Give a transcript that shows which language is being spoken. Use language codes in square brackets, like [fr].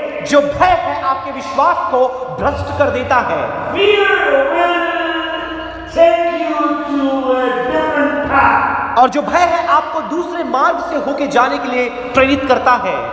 [hi] जो भय है आपके विश्वास को भ्रष्ट कर देता है। [en] Fear will take you to a different [hi] और जो भय है आपको दूसरे मार्ग से होके जाने के लिए प्रेरित करता है।